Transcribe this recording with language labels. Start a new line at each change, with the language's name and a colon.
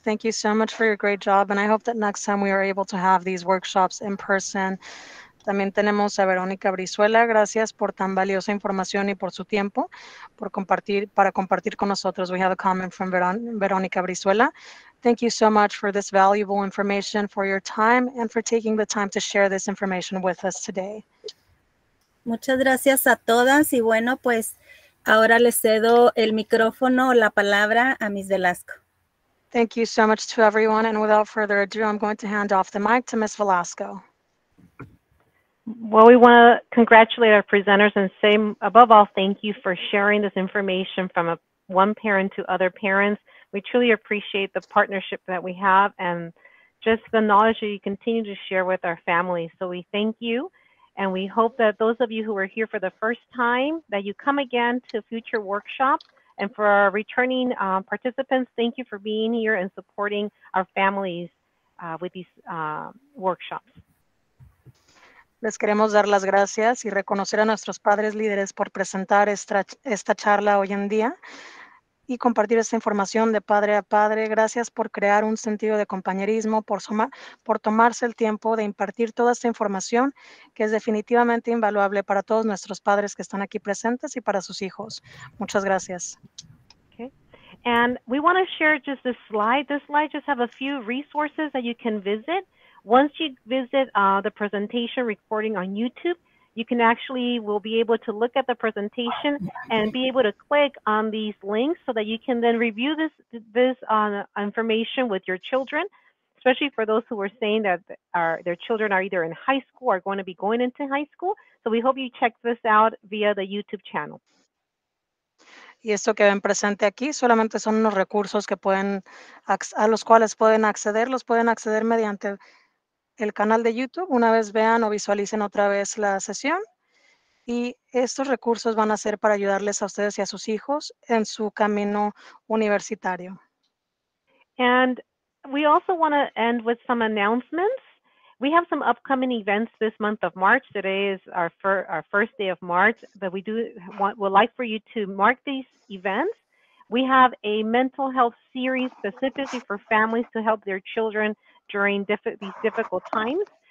English: Thank you so much for your great job. And I hope that next time we are able to have these workshops in person.
Spanish: También tenemos a Verónica Brizuela. Gracias por tan valiosa información y por su tiempo por compartir, para compartir con nosotros.
English: We have a comment from Verónica Brizuela. Thank you so much for this valuable information, for your time, and for taking the time to share this information with us today.
Spanish: Muchas gracias a todas. Y bueno, pues ahora le cedo el micrófono o la palabra a Ms. Velasco.
English: Thank you so much to everyone. And without further ado, I'm going to hand off the mic to Ms. Velasco. Well, we want to congratulate our presenters and say, above all, thank you for sharing this information from one parent to other parents. We truly appreciate the partnership that we have and just the knowledge that you continue to share with our families. So we thank you. And we hope that those of you who are here for the first time, that you come again to future workshops. And for our returning participants, thank you for being here and supporting our families with these workshops.
Spanish: Les queremos dar las gracias y reconocer a nuestros padres líderes por presentar esta charla hoy en día. y compartir esta información de padre a padre. Gracias por crear un sentido de compañerismo, por tomarse el tiempo de impartir toda esta información que es definitivamente invaluable para todos nuestros padres que están aquí presentes y para sus hijos. Muchas gracias.
English: And we want to share just this slide. This slide just have a few resources that you can visit. Once you visit the presentation recording on YouTube, you can actually will be able to look at the presentation and be able to click on these links so that you can then review this information with your children, especially for those who are saying that their children are either in high school or going to be going into high school. So we hope you check this out via the YouTube channel.
Spanish: Y esto que ven presente aquí solamente son unos recursos que pueden a los cuales pueden acceder. Los pueden acceder mediante el canal de YouTube una vez vean o visualicen otra vez la sesión. Y estos recursos van a ser para ayudarles a ustedes y a sus hijos en su camino universitario.
English: And we also want to end with some announcements. We have some upcoming events this month of March. Today is our first day of March, but we would like for you to mark these events. We have a mental health series specifically for families to help their children during these difficult times.